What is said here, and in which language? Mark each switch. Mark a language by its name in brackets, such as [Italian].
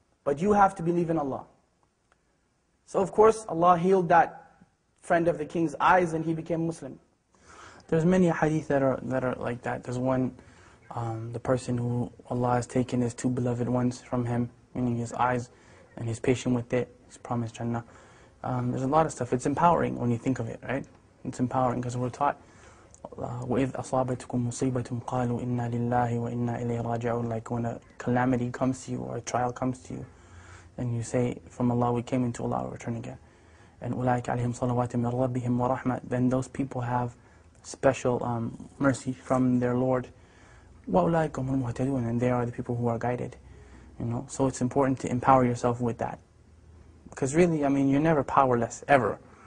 [English] But you have to believe in Allah. So of course, Allah healed that friend of the king's eyes and he became Muslim. There's many hadith that are like that. There's one, the person who Allah has taken his two beloved ones from him, meaning his eyes, and he's patient with it. He's promised Jannah. There's a lot of stuff. It's empowering when you think of it, right? It's empowering because we're taught, [Arabic] وَإِذْ أَصَابَتْكُمْ مُصِيبَةٌ قَالُوا إِنَّا لِلَّهِ وَإِنَّا إِلَيْهِ رَاجِعُونَ. [English] Like when a calamity comes to you or a trial comes to you, and you say, from Allah we came, into Allah we return again. [Arabic] And أُولَٰئِكَ عَلَيْهِمْ صَلَوَاتٍ مِنْ رَبِّهِمْ وَرَحْمَةٍ. [English] Then those people have special mercy from their Lord. [Arabic] وَأُولَٰئِكَ هُمُ الْمُهْتَدُونَ. [English] And they are the people who are guided. You know, so it's important to empower yourself with that. Because really, I mean, you're never powerless, ever.